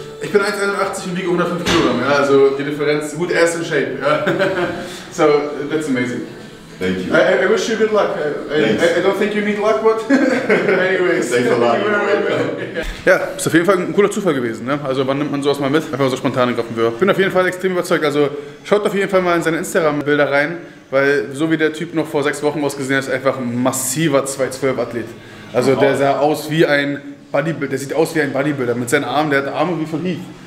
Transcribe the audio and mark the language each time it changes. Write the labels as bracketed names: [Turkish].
[German] Ich bin 1,81 und wiege 105 Kilogramm. Ja, also die Differenz, gut, er ist in Shape. [English] Ja. So that's amazing. Thank you. I wish you good luck. I don't think you need luck, but anyways. Thanks a lot. [German] Ja, ist auf jeden Fall ein cooler Zufall gewesen. Ne? Also wann nimmt man sowas mal mit? Einfach mal so spontan in Graffenwöhr. Ich bin auf jeden Fall extrem überzeugt. Also schaut auf jeden Fall mal in seine Instagram-Bilder rein, weil so wie der Typ noch vor 6 Wochen ausgesehen ist, einfach ein massiver 212-Athlet. Also der sah aus wie ein Bodybuilder. Der sieht aus wie ein Bodybuilder mit seinen Armen. Der hat Arme wie von Heath.